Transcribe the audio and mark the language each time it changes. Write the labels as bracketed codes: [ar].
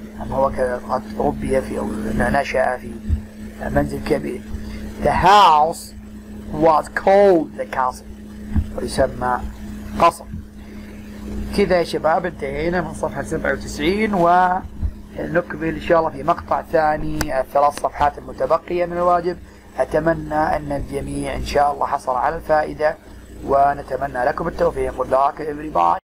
[ar] هو قد ربي في أو نشأ في منزل كبير. [en] The house was called the castle. [ar] ويسمى قصر. كذا يا شباب انتهينا من صفحة 97 ونكمل إن شاء الله في مقطع ثاني 3 صفحات المتبقية من الواجب. أتمنى أن الجميع إن شاء الله حصل على الفائدة ونتمنى لكم التوفيق. [en] Good luck everybody.